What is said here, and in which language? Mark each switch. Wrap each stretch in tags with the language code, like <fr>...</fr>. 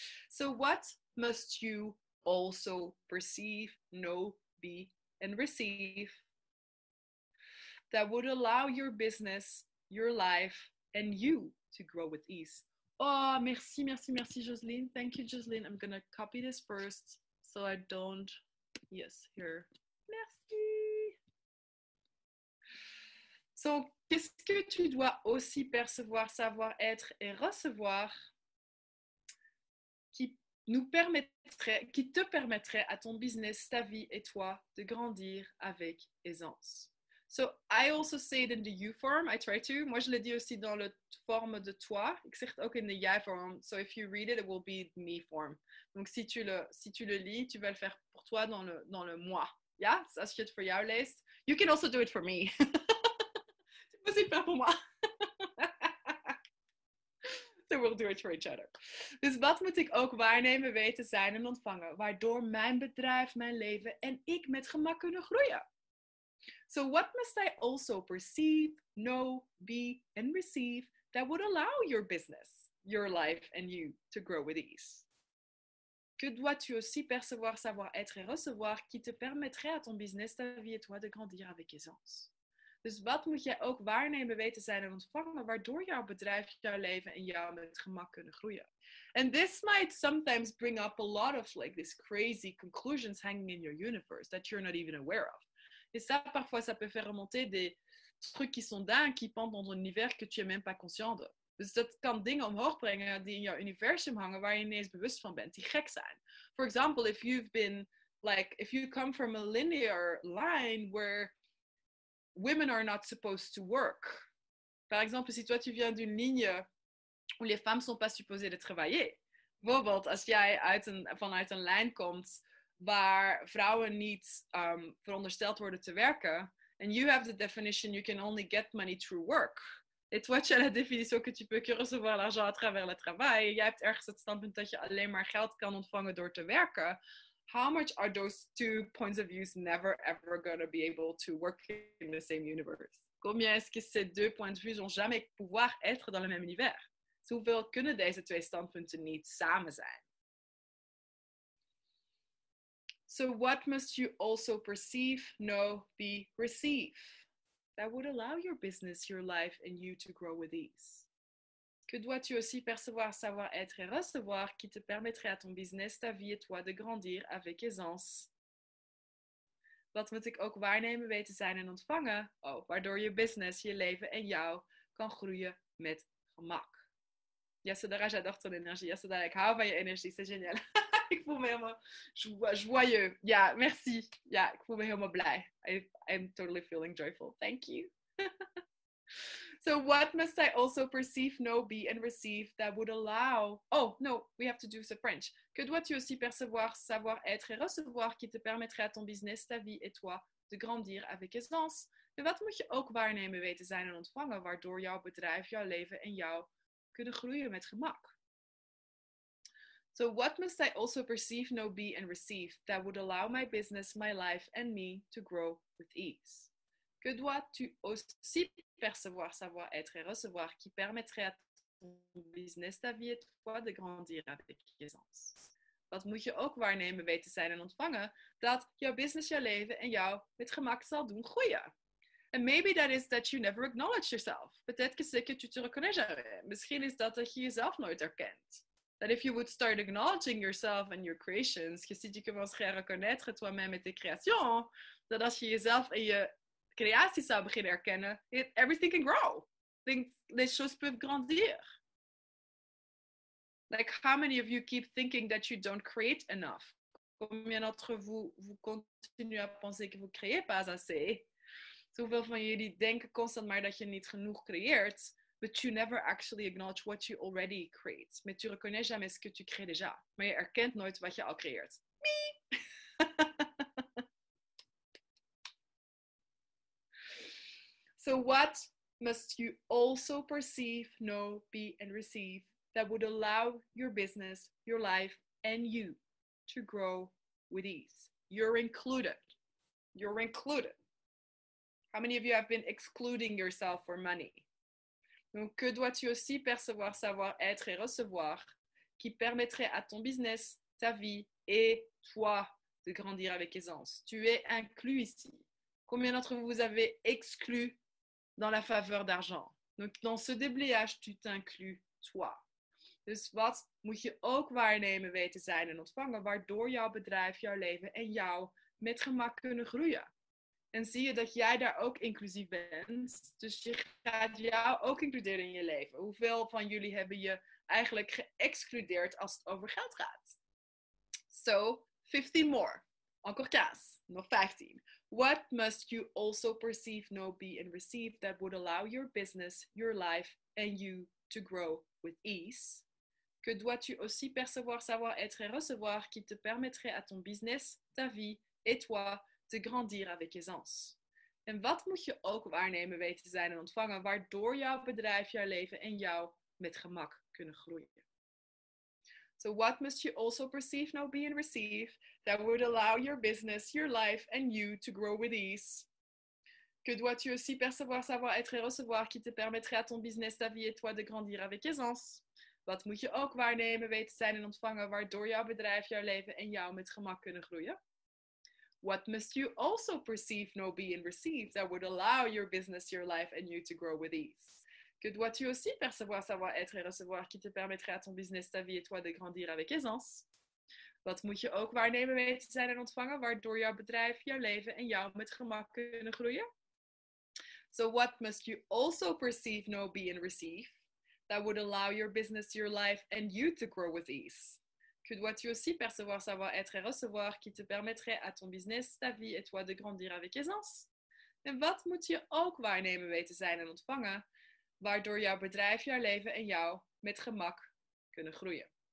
<en>So what must you also perceive, know, be, and receive that would allow your business, your life, and you to grow with ease?</en> <fr>Oh, merci, merci, merci,</fr> <en>Jocelyne. Thank you, Jocelyne. I'm going to copy this first so I don't... Yes, here. Merci.</en> <fr>So, qu'est-ce que tu dois aussi percevoir, savoir, être et recevoir qui nous permettrait, qui te permettrait à ton business, ta vie et toi de grandir avec aisance?</fr> <en>So, I also say it in the you form, I try to.</en> <fr>Moi, je le dis aussi dans la forme de toi.</fr> <nl>Ik zeg het ook in de jij form.</nl> <en>So, if you read it, it will be me form.</en> <fr>Donc, si tu le lis, tu vas le faire pour toi dans le moi.</fr> <nl>Ja, als je het voor jou leest.</nl> <en>You can also do it for me.</en> <fr>Tu peux aussi le faire pour moi.</fr> <en>So, we'll do it for each other.</en> <nl>Dus wat moet ik ook waarnemen, weten, zijn en ontvangen? Waardoor mijn bedrijf, mijn leven en ik met gemak kunnen groeien.</nl> <en>So what must I also perceive, know, be, and receive that would allow your business, your life, and you to grow with ease?</en> <fr>Que dois-tu aussi percevoir, savoir, être et recevoir qui te permettrait à ton business, ta vie et toi de grandir avec aisance?</fr> <nl>Dus wat moet jij ook waarnemen, weten, zijn en ontvangen waardoor jouw bedrijf, jouw leven en jou met gemak kunnen groeien?</nl> <en>And this might sometimes bring up a lot of like these crazy conclusions hanging in your universe that you're not even aware of.</en> <fr>Et ça, parfois, ça peut faire remonter des trucs qui sont dingues, qui pendent dans un univers que tu n'es même pas conscient de.</fr> <nl>Dus dat kan dingen omhoog brengen die in jouw universum hangen, waar je niet eens bewust van bent, die gek zijn.</nl> <en>For example, if you've been, like, if you come from a linear line where women are not supposed to work.</en> <fr>Par exemple, si toi, tu viens d'une ligne où les femmes ne sont pas supposées de travailler.</fr> <nl>Bijvoorbeeld, als jij vanuit een lijn komt waar vrouwen niet verondersteld worden te werken.</nl> <en>And you have the definition, you can only get money through work.</en> <fr>Et toi, tu as la définition que tu peux que recevoir l'argent à travers le travail.</fr> <nl>Jij hebt ergens het standpunt dat je alleen maar geld kan ontvangen door te werken.</nl> <en>How much are those two points of views never ever going to be able to work in the same universe?</en> <fr>Combien est-ce que ces deux points de vue vont jamais pouvoir être dans le même univers?</fr> <nl>Dus hoeveel kunnen deze twee standpunten niet samen zijn?</nl> <en>So what must you also perceive, know, be, receive that would allow your business, your life, and you to grow with ease?</en> <fr>Que dois-tu aussi percevoir, savoir, être et recevoir qui te permettrait à ton business, ta vie et toi de grandir avec aisance?</fr> <nl>Wat moet ik ook waarnemen, weten, zijn en ontvangen? Oh, waardoor je business, je leven en jou kan groeien met gemak. Yassadara,</nl> <fr>j'adore ton énergie.</fr> <nl>Yassadara, ik hou van je energie,</nl> <fr>c'est génial.</fr> <nl>Ik voel me helemaal joyeux. Ja, merci. Ja, ik voel me helemaal blij.</nl> <en>I'm totally feeling joyful. Thank you. So what must I also perceive, know, be and receive that would allow... Oh, no, we have to do the French.</en> <fr>Que dois-tu aussi percevoir, savoir, être et recevoir qui te permettrait à ton business, ta vie et toi de grandir avec aisance?</fr> <nl>En wat moet je ook waarnemen, weten, zijn en ontvangen waardoor jouw bedrijf, jouw leven en jou kunnen groeien met gemak?</nl> <en>So what must I also perceive, know, be and receive that would allow my business, my life and me to grow with ease?</en> <fr>Que dois-tu aussi percevoir, savoir, être et recevoir qui permettrait à ton business, ta vie et toi de grandir avec aisance?</fr> <nl>Wat moet je ook waarnemen, weten, zijn en ontvangen dat jouw business, jouw leven en jou met gemak zal doen groeien?</nl> <en>And maybe that is that you never acknowledge yourself.</en> <fr>Peut-être que c'est que tu te reconnais jamais.</fr> <nl>Misschien is dat dat je jezelf nooit herkent.</nl> <en>That if you would start acknowledging yourself and your creations,</en> <fr>je ziet je commencerait à reconnaître toi-même et tes créations,</fr> <nl>dat als je jezelf en je creaties zou beginnen erkennen,</nl> <en>everything can grow.</en> <fr>Les choses peuvent grandir.</fr> <en>Like, how many of you keep thinking that you don't create enough?</en> <fr>Combien d'entre vous, vous continuez à penser que vous ne créez pas assez?</fr> <nl>Hoeveel van jullie denken constant maar dat je niet genoeg creëert,</nl> <en>but you never actually acknowledge what you already create.</en> <fr>Mais tu reconnais jamais ce que tu crées déjà.</fr> <nl>Maar je erkent nooit wat je al creëert.</nl> <en>So what must you also perceive, know, be and receive that would allow your business, your life and you to grow with ease? You're included. You're included. How many of you have been excluding yourself for money?</en> <fr>Donc, que dois-tu aussi percevoir, savoir, être et recevoir qui permettrait à ton business, ta vie et toi de grandir avec aisance? Tu es inclus ici. Combien d'entre vous vous avez exclu dans la faveur d'argent? Donc, dans ce déblayage, tu t'inclus toi.</fr> <nl>Dus wat moet je ook waarnemen, weten, zijn en ontvangen, waardoor jouw bedrijf, jouw leven en jou met gemak kunnen groeien? En zie je dat jij daar ook inclusief bent. Dus je gaat jou ook includeren in je leven. Hoeveel van jullie hebben je eigenlijk geëxcludeerd als het over geld gaat?</nl> <en>So, 15 more.</en> <fr>Encore kaas.</fr> <nl>Nog 15.</nl> <en>What must you also perceive, know, be and receive that would allow your business, your life and you to grow with ease?</en> <fr>Que dois-tu aussi percevoir, savoir, être et recevoir qui te permettrait à ton business, ta vie et toi te grandir avec aisance?</fr> <nl>En wat moet je ook waarnemen, weten, zijn en ontvangen, waardoor jouw bedrijf, jouw leven en jou met gemak kunnen groeien?</nl> <en>So what must you also perceive, know, be and receive that would allow your business, your life and you to grow with ease?</en> <fr>Que dois-tu aussi percevoir, savoir, être et recevoir qui te permettrait à ton business, ta vie et toi de grandir avec aisance?</fr> <nl>Wat moet je ook waarnemen, weten, zijn en ontvangen, waardoor jouw bedrijf, jouw leven en jou met gemak kunnen groeien?</nl> <en>What must you also perceive, know, be and receive that would allow your business, your life and you to grow with ease?</en> <fr>Que dois-tu aussi percevoir, savoir, être et recevoir qui te permettrait à ton business, ta vie et toi de grandir avec aisance?</fr> <nl>Wat moet je ook waarnemen, weten, zijn en ontvangen, waardoor jouw bedrijf, jouw leven en jou met gemak kunnen groeien?</nl> <en>So what must you also perceive, know, be and receive that would allow your business, your life and you to grow with ease?</en> <fr>Que dois-tu aussi percevoir, savoir, être et recevoir qui te permettrait à ton business, ta vie et toi de grandir avec aisance?</fr> <nl>En wat moet je ook waarnemen, weten, zijn en ontvangen, waardoor jouw bedrijf, jouw leven en jou met gemak kunnen groeien?</nl>